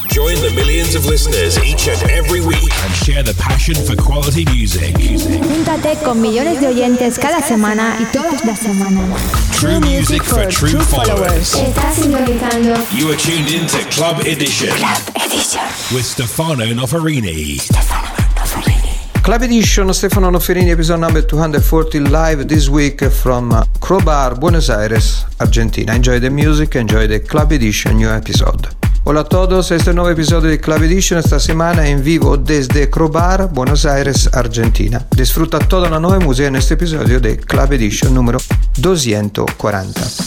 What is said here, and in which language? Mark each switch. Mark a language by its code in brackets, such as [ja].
[en] Join the millions of listeners each and every week and share the passion for quality music. [es] Júntate con millones de oyentes cada semana y todas las semanas. [en] True music for true followers. [es] Estás sintonizando. [en] You are tuned in to Club Edition. Club Edition. With Stefano Noferini. Live edition, Stefano Noferini, episode number 240, live this week from Crowbar, Buenos Aires, Argentina. Enjoy the music, enjoy the Club Edition new episode. [es] Hola a todos, este es el nuevo episodio de Club Edition, esta semana en vivo desde Crowbar, Buenos Aires, Argentina. Disfruta toda la nueva música en este episodio de Club Edition número 240.